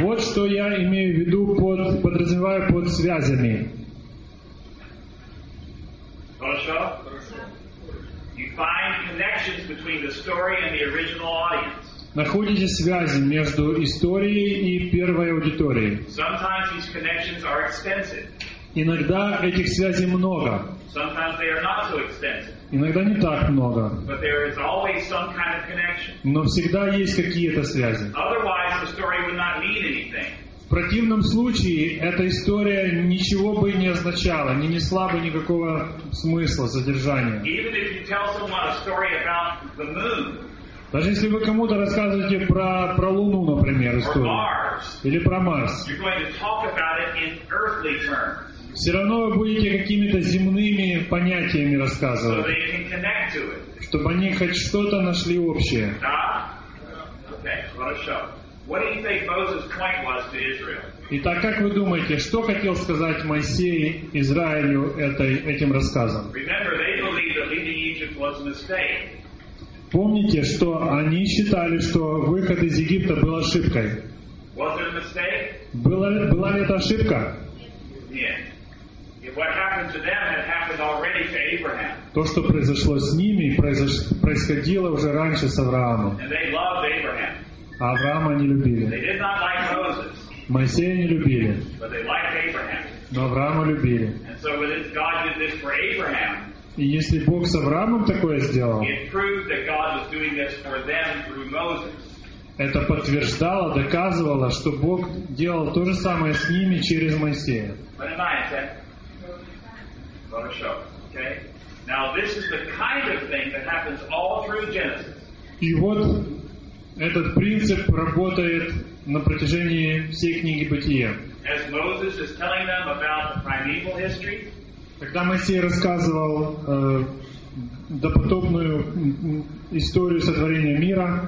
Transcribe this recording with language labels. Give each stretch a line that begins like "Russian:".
Russian: Вот что я имею в виду, подразумеваю под связями.
English: You find connections between the story and the original audience.
Russian: Находите связи между историей и первой аудиторией.
English: Sometimes these connections are extensive.
Russian: Иногда этих связей много.
English: Sometimes they are not so extensive.
Russian: Иногда не так много.
English: But there is always some kind of connection.
Russian: Но всегда есть какие-то связи.
English: Otherwise, the story would not mean anything.
Russian: В противном случае эта история ничего бы не означала, не несла бы никакого смысла, содержания.
English: Even if you tell someone a story about the moon,
Russian: даже если вы кому-то рассказываете про Луну, например, историю,
English: or Mars,
Russian: или про Марс,
English: you're going to talk about it in earthly terms.
Russian: Все равно вы будете какими-то земными понятиями рассказывать,
English: so they can connect to it.
Russian: Чтобы они хоть что-то нашли общее. Да?
English: Okay, what a show. What do you think Moses' point was to Israel?
Russian: Итак, как вы думаете, что хотел сказать Моисей Израилю этим рассказом?
English: Remember, they believed that leaving Egypt was a mistake.
Russian: Помните, что они считали, что выход из Египта был ошибкой.
English: Was it a mistake?
Russian: Была ли это ошибка?
English: Yeah. If what happened to them had happened already to Abraham.
Russian: То, что произошло с ними, происходило уже раньше с Авраамом.
English: And they loved Abraham.
Russian: А Авраама не любили.
English: They did not like Moses.
Russian: Моисея не любили.
English: But they liked Abraham.
Russian: Но Авраама любили.
English: And so when God did this for Abraham,
Russian: и если Бог с Авраамом такое сделал,
English: it proved that God was doing this for them through Moses.
Russian: Это подтверждало, доказывало, что Бог делал то же самое с ними через Моисея.
English: What am I saying? What a show. Okay? Now this is the kind of thing that happens all through Genesis.
Russian: И вот этот принцип работает на протяжении всей книги Бытия.
English: As Moses is telling them about the primeval history,
Russian: когда Моисей рассказывал допотопную историю сотворения мира,